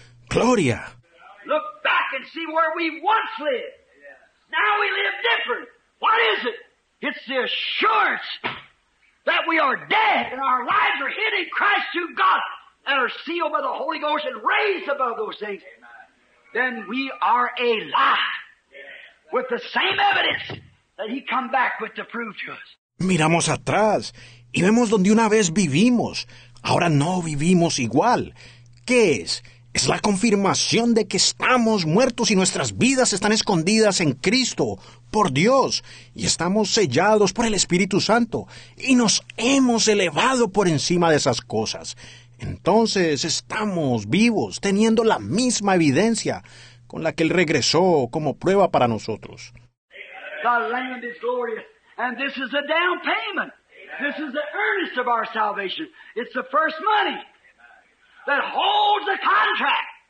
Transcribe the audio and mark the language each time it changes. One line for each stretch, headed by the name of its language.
Spanish: ¡Gloria!
English: Look back and see where we once lived. Now we live different. What is it? It's the assurance that we are dead and our lives are hidden in Christ through God and are sealed by the Holy Ghost and raised above those things. Then we are alive with the same evidence that He come back with to prove to us.
Spanish: Miramos atrás y vemos donde una vez vivimos. Ahora no vivimos igual. ¿Qué es? Es la confirmación de que estamos muertos y nuestras vidas están escondidas en Cristo, por Dios, y estamos sellados por el Espíritu Santo, y nos hemos elevado por encima de esas cosas. Entonces estamos vivos, teniendo la misma evidencia con la que Él regresó como prueba para nosotros.
English: The land is glorious. And this is the down payment. Amen. This is the earnest of our salvation. It's the first money that holds the contract.